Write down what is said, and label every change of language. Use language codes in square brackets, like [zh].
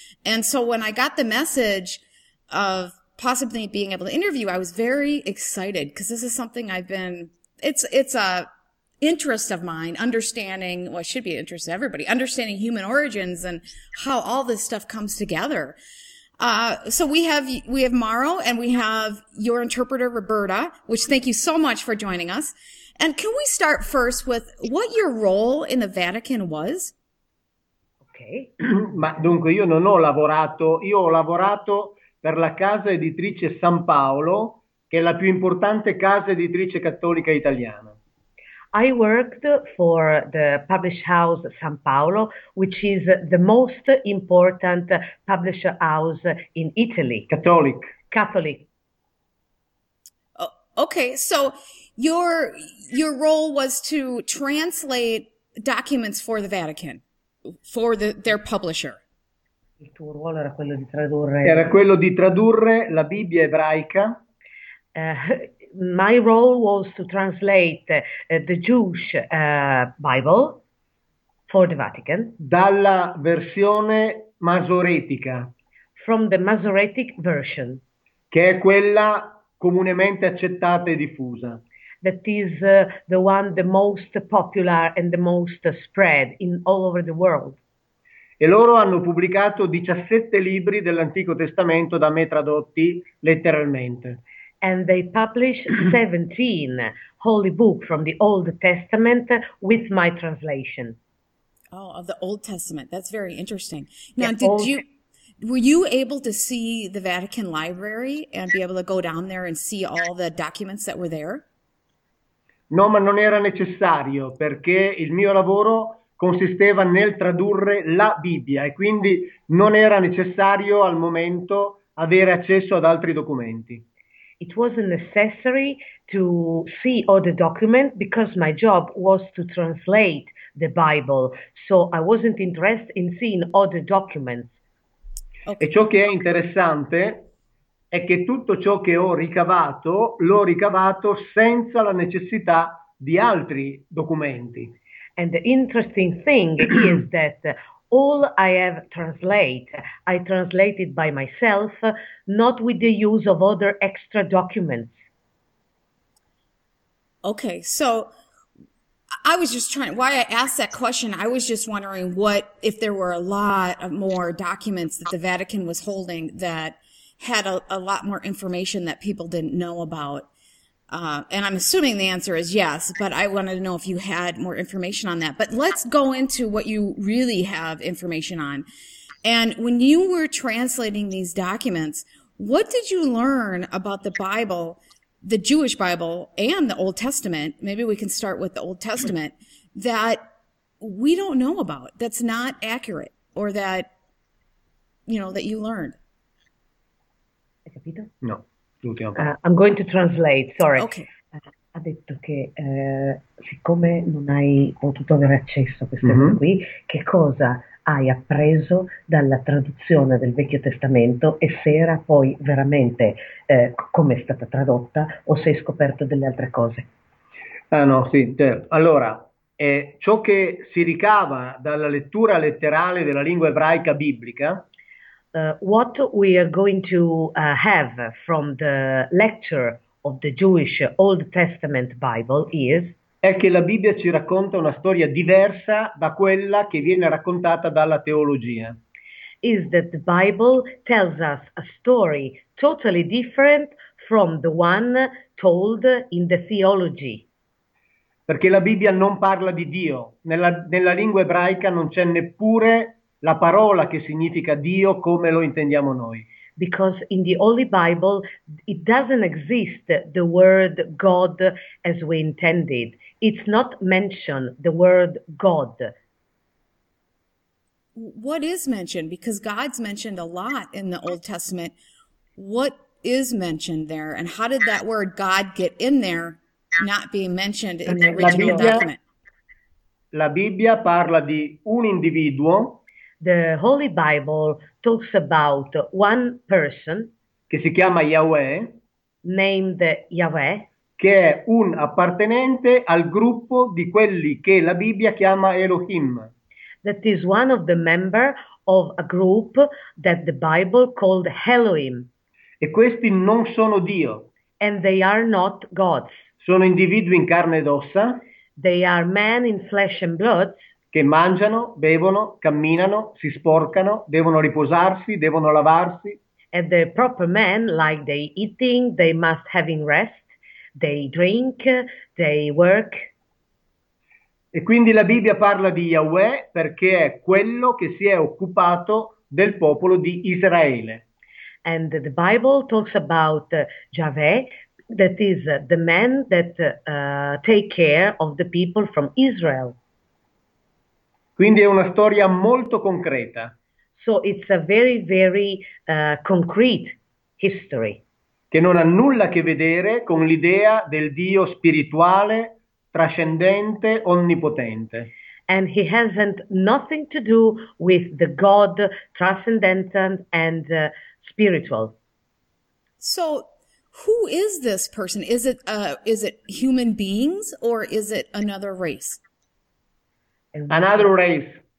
[en] And so when I got the message of possibly being able to interview, I was very excited because this is something it's a interest of mine, understanding human origins and how all this stuff comes together. So we have Mauro and we have your interpreter, Roberta, which thank you so much for joining us. And can we start first with what your role in the Vatican was? Okay. [it] Ma dunque, io non ho lavorato. Io ho lavorato per la casa editrice San Paolo, che è la più importante casa editrice cattolica italiana. [en] I worked for the publisher house San Paolo, which is the most important publisher house in Italy. Catholic. Okay, so your role was to translate documents for the Vatican, for their publisher. [it] Il tuo ruolo era quello di tradurre. Era quello di tradurre la Bibbia ebraica. [en] My role was to translate the Jewish Bible for the Vatican [it] Dalla versione masoretica, [en] from the Masoretic version [it] che è quella comunemente accettata e diffusa. [en] that is the one the most popular and the most spread in all over the world. [it] E loro hanno pubblicato 17 libri dell'Antico Testamento da me tradotti letteralmente. [en] And they published 17 holy books from the Old Testament with my translation. Oh, of the Old Testament. That's very interesting. Yeah, Now, old. were you able to see the Vatican Library and be able to go down there and see all the documents that were there? [it] No, ma non era necessario perché il mio lavoro consisteva nel tradurre la Bibbia e quindi non era necessario al momento avere accesso ad altri documenti. [en] It wasn't necessary to see all the documents because my job was to translate the Bible, so I wasn't interested in seeing all the documents. [it] E ciò che è interessante è che tutto ciò che ho ricavato, l'ho ricavato senza la necessità di altri documenti. [en] And the interesting thing is that all I have translated, I translated by myself, not with the use of other extra documents. Okay, so I was just trying, why I asked that question, I was just wondering what if there were a lot of more documents that the Vatican was holding that had a lot more information that people didn't know about. And I'm assuming the answer is yes, but I wanted to know if you had more information on that. But let's go into what you really have information on. And when you were translating these documents, what did you learn about the Bible, the Jewish Bible, and the Old Testament? Maybe we can start with the Old Testament that we don't know about, that's not accurate, or that you learned. [it] Capito? No, l'ultima parte. [en] I'm going to translate, sorry. [it] Ok. Ha detto che siccome non hai potuto avere accesso a queste robe qui, che cosa hai appreso dalla traduzione del Vecchio Testamento e se era poi veramente come è stata tradotta o se hai scoperto delle altre cose? Ah no, sì, certo. Allora, ciò che si ricava dalla lettura letterale della lingua ebraica biblica. [en] What we are going to have from the lecture of the Jewish Old Testament Bible is [it] È che la Bibbia ci racconta una storia diversa da quella che viene raccontata dalla teologia. [en] that the Bible tells us a story totally different from the one told in the theology. [it] Perché la Bibbia non parla di Dio, nella lingua ebraica non c'è neppure la parola che significa Dio come lo intendiamo noi. [en] Because in the Holy Bible it doesn't exist the word God as we intended. It's not mentioned the word God. What is mentioned? Because God's mentioned a lot in the Old Testament. What is mentioned there? And how did that word God get in there, not being mentioned in the original document? [it] La Bibbia parla di un individuo [en] The Holy Bible talks about one person [it] che si chiama Yahweh, [en] named Yahweh. [it] che è un appartenente al gruppo di quelli che la Bibbia chiama Elohim. [en] That is one of the members of a group that the Bible called Elohim. [it] E questi non sono Dio, [en] And they are not gods. [it] sono individui in carne ed ossa [en] They are men in flesh and blood. [it] che mangiano, bevono, camminano, si sporcano, devono riposarsi, devono lavarsi. [en] And the proper men, like they eating, they must having rest, they drink, they work. [it] E quindi la Bibbia parla di Yahweh perché è quello che si è occupato del popolo di Israele. [en] And the Bible talks about Javé, that is the man that take care of the people from Israel. [it] Quindi è una storia molto concreta [en] So it's a very, very concrete history. [it] che non ha nulla a che vedere con l'idea del Dio spirituale, trascendente, onnipotente. [en] And he hasn't nothing to do with the God, transcendental, and spiritual. So, who is this person? Is it human beings or is it another race? Another race.